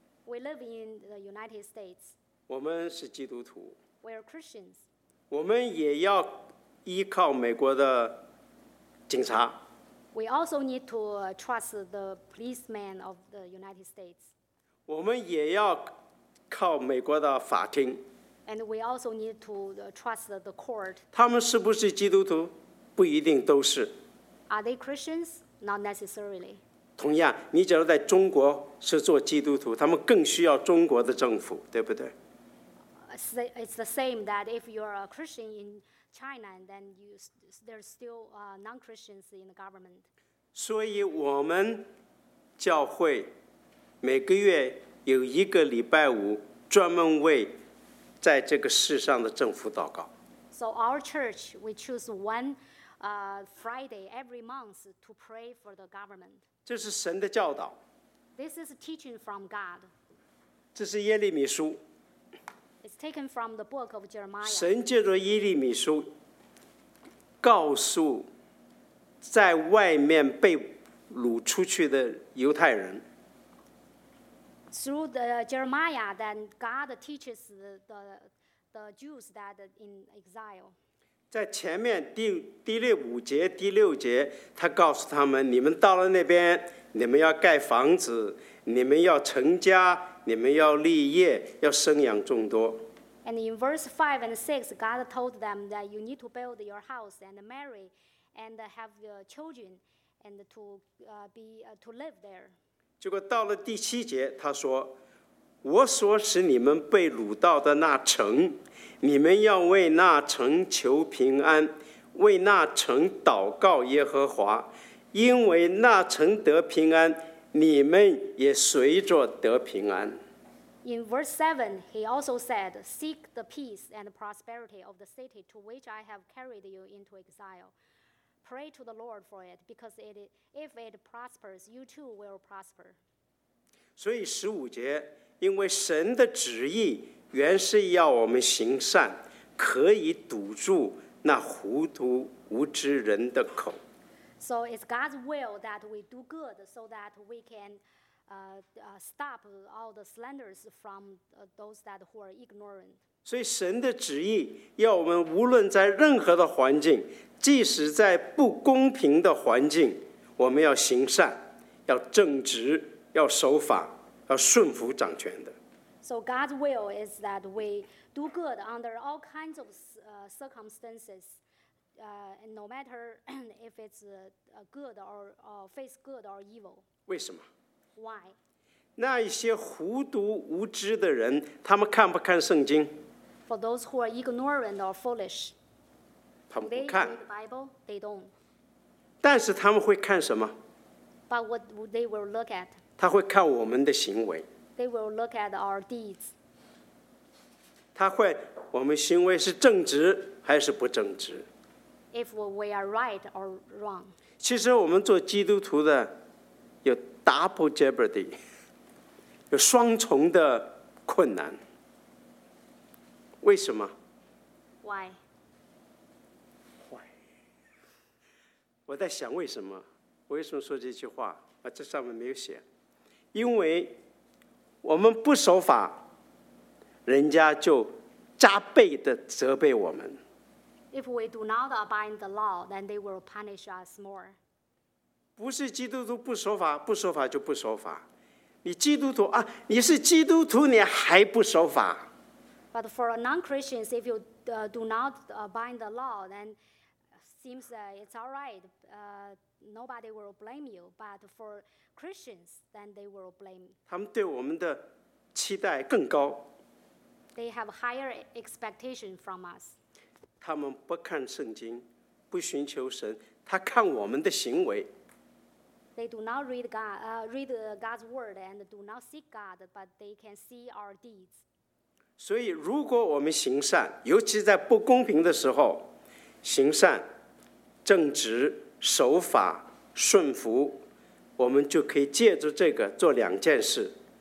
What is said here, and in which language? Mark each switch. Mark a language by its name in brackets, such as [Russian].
[English] We live in the United States. [Chinese] 我们是基督徒。 [English] We are Christians. [Chinese] 我们也要依靠美国的警察。 [English] We also need to trust the policemen of the United States. [Chinese] 我们也要靠美国的法庭。 [English] And we also need to trust the court. [Chinese] 他们是不是基督徒？不一定都是。 [English] Are they Christians? Not necessarily. [Chinese] 同样，你只要在中国是做基督徒，他们更需要中国的政府，对不对？ [English] It's the same that if you are a Christian in China, then there's still non-Christians in the government. [Chinese] 所以我们教会每个月有一个礼拜五专门为在这个世上的政府祷告。 [English] So our church, we choose one Friday every month to pray for the government. [Chinese] 这是神的教导。 [English] This is a teaching from God. [Chinese] 这是耶利米书。 [English] It's taken from the book of Jeremiah. [Chinese] 神借着耶利米书告诉在外面被掳出去的犹太人。 [English] Through the Jeremiah, then God teaches the Jews that in exile. [Chinese] 在前面第六五节、第六节，他告诉他们：你们到了那边，你们要盖房子，你们要成家，你们要立业，要生养众多。 [English] And in verse 5 and 6, God told them that you need to build your house and marry and have your children and to live there. [Chinese] 结果到了第七节，他说：我所使你们被掳到的那城，你们要为那城求平安，为那城祷告耶和华，因为那城得平安，你们也随着得平安。 [English] In verse 7, he also said, Seek the peace and prosperity of the city to which I have carried you into exile. Pray to the Lord for it, because if it prospers, you too will prosper. [Chinese] 所以十五节，因为神的旨意原是要我们行善，可以堵住那糊涂无知人的口。 [English] So it's God's will that we do good so that we can stop all the slanders from those that who are ignorant. [Chinese] 所以神的旨意要我们无论在任何的环境，即使在不公平的环境，我们要行善，要正直，要守法，要顺服掌权的。 [English] So God's will is that we do good under all kinds of circumstances. No matter if it's good or face good or evil. [Chinese] 为什么？ [English] Why? [Chinese] 那一些糊涂无知的人，他们看不看圣经？ [English] For those who are ignorant or foolish, [Chinese] 他们不看。 [English] They read the Bible, they don't. [Chinese] 但是他们会看什么？ [English] But what they will look at? [Chinese] 他会看我们的行为。 [English] They will look at our deeds. [Chinese] 他会，我们行为是正直还是不正直？ [English] If we are right or wrong. [Chinese] 其实我们做基督徒的有 double jeopardy, 有双重的困难。为什么？ [English] Why? [Chinese] Why? 我在想为什么？我为什么说这句话？啊，这上面没有写。因为我们不守法，人家就加倍的责备我们。 [English] If we do not abide the law, then they will punish us more. [Chinese] 不是基督徒不守法，不守法就不守法。你基督徒啊，你是基督徒，你还不守法。 [English] But for non-Christians, if you do not abide the law, then seems it's all right. Nobody will blame you. But for Christians, then they will blame. [Chinese] 他们对我们的期待更高。 [English] They have higher expectation from us. [Chinese] 他们不看圣经，不寻求神，他看我们的行为。 [English] They do not read God, read God's word, and do not seek God, but they can see our deeds. [Chinese] 所以，如果我们行善，尤其在不公平的时候，行善、正直、守法、顺服，我们就可以借助这个做两件事。